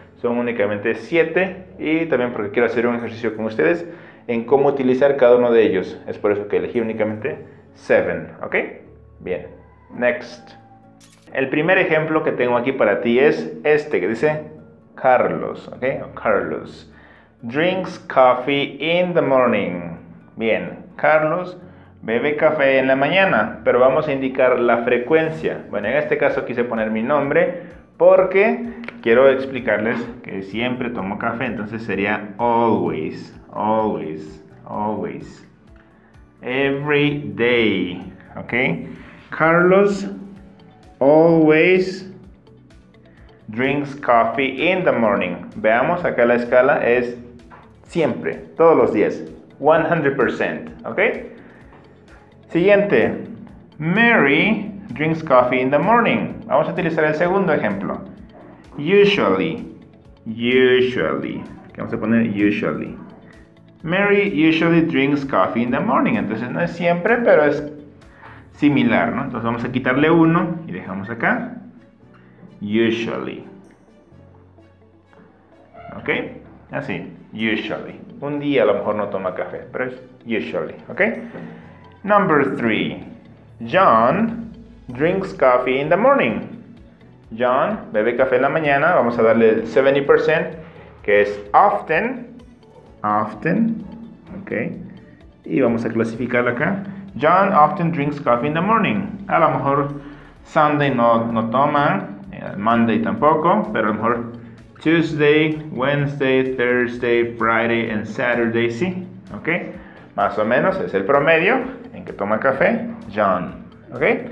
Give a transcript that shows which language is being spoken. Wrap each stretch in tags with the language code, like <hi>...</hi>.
<es>Son únicamente 7 y también porque quiero hacer un ejercicio con ustedes en cómo utilizar cada uno de ellos. Es por eso que elegí únicamente 7, ¿ok? Bien, next. El primer ejemplo que tengo aquí para ti es este que dice Carlos, ¿ok? Carlos.</es> <en>Drinks coffee in the morning.</en> <es>Bien, Carlos bebe café en la mañana, pero vamos a indicar la frecuencia. Bueno, en este caso quise poner mi nombre porque quiero explicarles que siempre tomo café, entonces sería always, always, always.</es> <en>Every day, ¿ok? Carlos always drinks coffee in the morning.</en> <es>Veamos, acá la escala es siempre, todos los días, 100%, ¿ok?</es> <en>Siguiente, Mary drinks coffee in the morning.</en> <es>Vamos a utilizar el segundo ejemplo. Usually, usually, vamos a poner usually.</es> <en>Mary usually drinks coffee in the morning.</en> <es>Entonces no es siempre, pero es similar, ¿no? Entonces vamos a quitarle uno y dejamos acá.</es> <en>Usually.</en> <es>¿Ok? Así. Usually. Un día a lo mejor no toma café, pero es usually, ¿ok?</es> <en>Number 3. John drinks coffee in the morning.</en> <es>John bebe café en la mañana. Vamos a darle el 70%, que es often. Often. ¿Ok? Y vamos a clasificarlo acá.</es> <en>John often drinks coffee in the morning.</en> <es>A lo mejor Sunday no toma, Monday tampoco, pero a lo mejor Tuesday, Wednesday, Thursday, Friday and Saturday, sí, ¿ok? Más o menos es el promedio en que toma café John, ¿ok?</es>